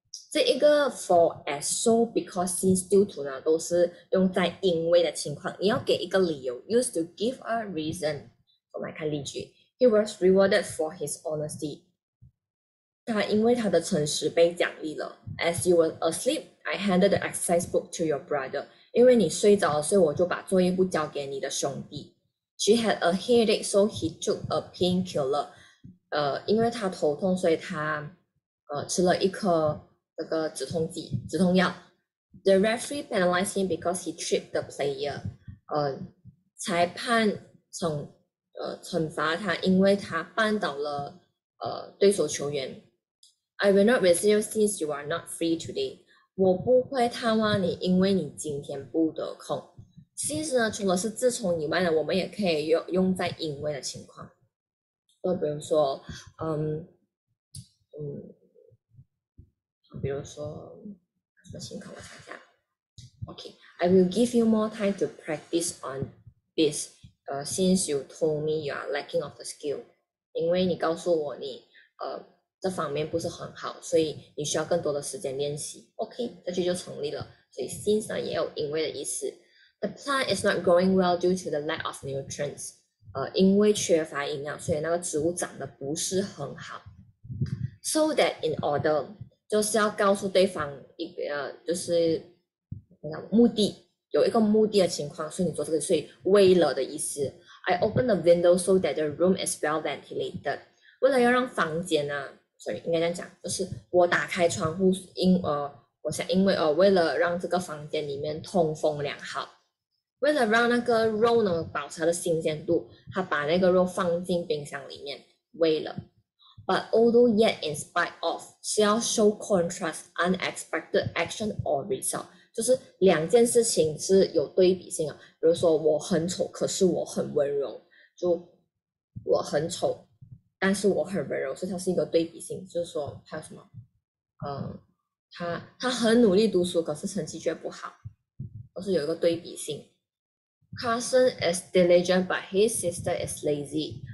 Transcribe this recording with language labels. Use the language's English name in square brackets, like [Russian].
[Chinese] 这一个 [English] for as so because since due to [Chinese] 呢，都是用在因为的情况，你要给一个理由。 [English] Used to give a reason。 [Chinese] 我们来看例句： [English] He was rewarded for his honesty。 [Chinese] 他因为他的诚实被奖励了。 [English] As you were asleep, I handed the exercise book to your brother。 [Chinese] 因为你睡着了，所以我就把作业簿交给你的兄弟。 [English] She had a headache, so he took a painkiller。 [Chinese] 因为他头痛，所以他吃了一颗那个止痛药。 [English] The referee penalized him because he tripped the player。 [Chinese] 裁判惩罚他，因为他绊倒了对手球员。 [English] I will not resign since you are not free today。 [Chinese] 我不会探望你，因为你今天不得空。 since 呢，除了是自从以外呢，我们也可以用在因为的情况。就比如说，比如说什么情况？我想想。 [English] OK，I will give you more time to practice on this. Since you told me you are lacking of the skill， [Chinese] 因为你告诉我你。这方面不是很好，所以你需要更多的时间练习。 OK，这句就成立了。所以 since 呢也有因为的意思。 [English] The plant is not growing well due to the lack of nutrients。 [Chinese] 因为缺乏营养，所以那个植物长得不是很好。 [English] So that in order， [Chinese] 就是要告诉对方一个就是目的，有一个目的的情况，所以你做这个，所以为了的意思。 [English] I open the window so that the room is well ventilated。 [Chinese] 为了要让房间呢。所以应该这样讲，就是我打开窗户，我想因为为了让这个房间里面通风良好，为了让那个肉呢保持它的新鲜度，他把那个肉放进冰箱里面喂了。 [English] But although yet in spite of [Chinese] 是要 [English] show contrast unexpected action or result， [Chinese] 就是两件事情是有对比性的。比如说我很丑，可是我很温柔，就我很丑。但是我很温柔，所以它是一个对比性，就是说还有什么，他很努力读书，可是成绩却不好，都是有一个对比性。 [English] Carson is diligent, but his sister is lazy.